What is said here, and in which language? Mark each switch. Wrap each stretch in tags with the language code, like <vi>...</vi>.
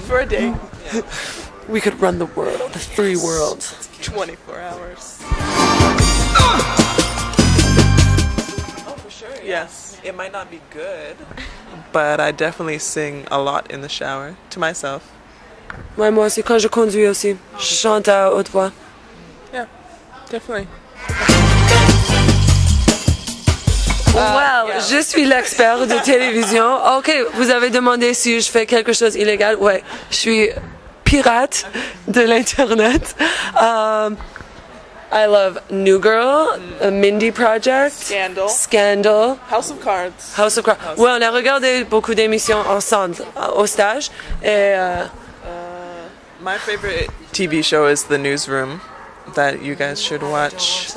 <en>for a day. We could run the world, the free world. 24 hours. Oh, for sure. Yes. It might not be good, but I definitely sing a lot in the shower to myself.</en> <fr>Moi aussi, quand je conduis aussi, je chante à haute voix.</fr> <en>Yeah, definitely.</en> <fr>Well, je suis l'expert de télévision. Ok, vous avez demandé si je fais quelque chose d'illégal. Ouais, je suis pirate de l'internet.</fr> <en>I love New Girl, a Mindy Project. Scandal. Scandal. House of Cards. House of Cards.</en> <fr>Ouais, on a regardé beaucoup d'émissions ensemble au stage. Et...</fr> <en>My favorite TV show is The Newsroom, that you guys should watch.</en>